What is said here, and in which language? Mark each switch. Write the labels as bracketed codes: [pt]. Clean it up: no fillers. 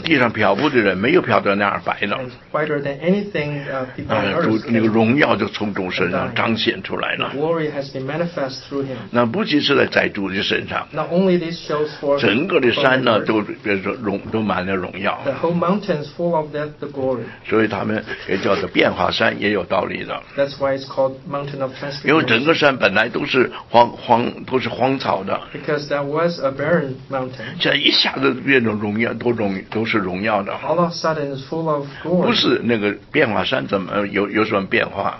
[zh] 地上漂浮的人没有漂得那样白了。 [en] Whiter than anything people on earth. [zh] 那个荣耀就从主身上彰显出来了。 [en] Glory has been manifest through him. [zh] 那不仅是在主的身上。 [en] Not only this shows for. [zh] 整个的山呢，都变成荣，都满了荣耀。 [en] The whole mountains full of that the glory. [zh] 所以他们也叫做变化山，也有道理的。 [en] That's why it's called Mountain of Transfiguration. [zh] 因为整个山本来都是都是荒草的。 [en] Because that was a barren mountain. [zh] 这一下子变成荣耀，都是荣耀的。 [en] All of a sudden is full of glory. [zh] 不是那个变化山怎么有什么变化？